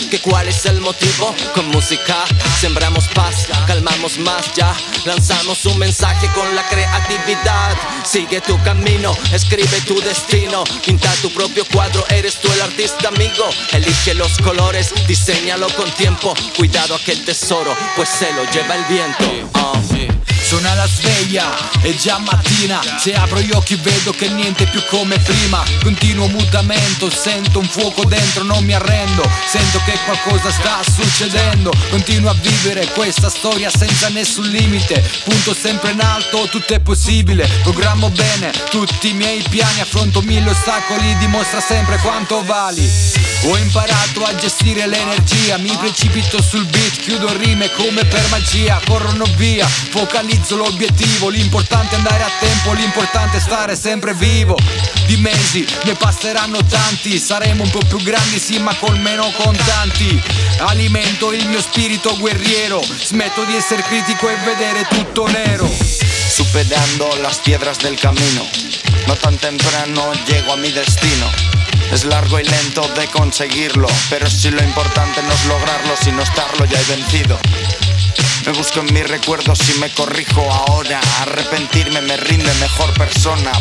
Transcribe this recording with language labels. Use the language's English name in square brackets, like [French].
[Spanish] ¿Qué cuál es el motivo? Con música sembramos paz, calmamos más ya. Lanzamos un mensaje con la creatividad. Sigue tu camino, escribe tu destino. Pinta tu propio cuadro, eres tú el artista amigo. Elige los colores, diseñalo con tiempo. Cuidado aquel tesoro, pues se lo lleva el viento. [Italian] Suena la sveglia, è già mattina. Se apro gli occhi vedo che niente più come prima. Continuo mutamento, sento un fuoco dentro, non mi arrendo. Sento che qualcosa sta succedendo. Continuo a vivere questa storia senza nessun limite. Punto sempre in alto, tutto è possibile. Programmo bene tutti i miei piani. Affronto mille ostacoli, dimostra sempre quanto vali. Ho imparato a gestire l'energia. Mi precipito sul beat, chiudo rime come per magia. Corrono via, focalizzo. Realizzo l'obiettivo, l'importante è andare a tempo, l'importante è stare sempre vivo. Di mesi ne passeranno tanti, saremo un po' più grandi sì, ma con meno contanti. Alimento il mio spirito guerriero, smetto di essere critico e vedere tutto nero. [Spanish] Superando las piedras del camino, no tan temprano llego a mi destino. Es largo y lento de conseguirlo, pero si lo importante no es lograrlo, sino estarlo ya he vencido. Me busco en mis recuerdos y me corrijo ahora. Arrepentirme me rinde mejor persona.